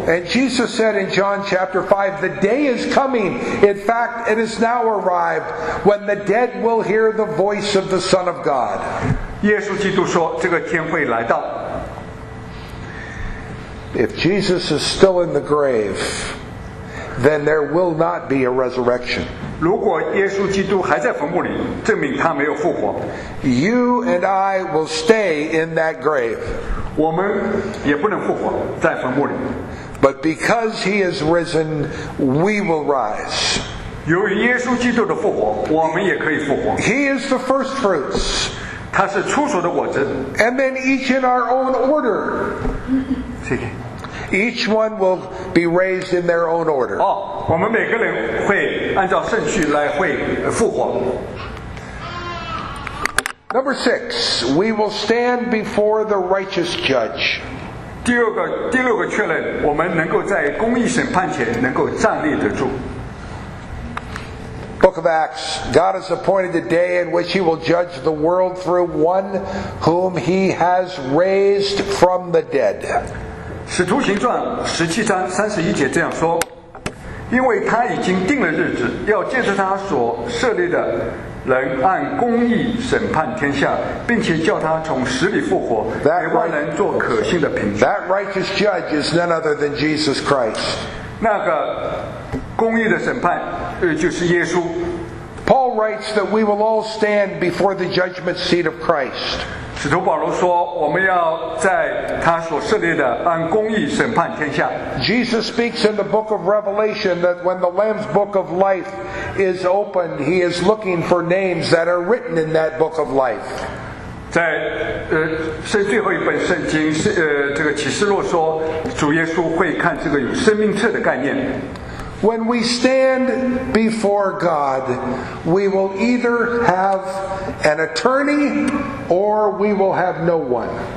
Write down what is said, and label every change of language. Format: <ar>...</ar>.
<en>And Jesus said in John chapter 5, the day is coming. In fact, it has now arrived when the dead will hear the voice of the Son of God.</en> <zh>耶稣基督说，这个天会来到。</zh> <en>If Jesus is still in the grave, then there will not be a resurrection.</en> <zh>如果耶稣基督还在坟墓里，证明他没有复活。</zh> <en>You and I will stay in that grave.</en> <zh>我们也不能复活，在坟墓里。</zh> <en>But because he is risen, we will rise.</en> <zh>由于耶稣基督的复活，我们也可以复活。</zh> <en>He is the first fruits.</en> <zh>他是初熟的果子。</zh> <en>And then each in our own order. Each one will be raised in their own order.</en> <zh>哦，我们每个人会按照顺序来会复活。</zh> <en>Number six, we will stand before the righteous judge.</en> <zh>第六个确认，我们能够在公义审判前能够站立得住。</zh> <en>Book of Acts, God has appointed a day in which He will judge the world through one whom He has raised from the dead.</en> <zh>使徒行传十七章三十一节这样说。因为他已经定了日子，要借着他所设立的人按公义审判天下，并且叫他从死里复活，给万人做可信的凭据。</zh> <en>That righteous judge is none other than Jesus Christ.</en> <zh>那个公义的审判，就是耶稣。</zh> <en>Paul writes that we will all stand before the judgment seat of Christ.</en> <zh>使徒保罗说，我们要在他所设立的按公义审判天下。</zh> <en>Jesus speaks in the book of Revelation that when the Lamb's book of life is opened, he is looking for names that are written in that book of life.</en> <zh>在最后一本圣经这个启示录说，主耶稣会看这个有生命册的概念。</zh> <en>When we stand before God, we will either have an attorney or we will have no one.</en>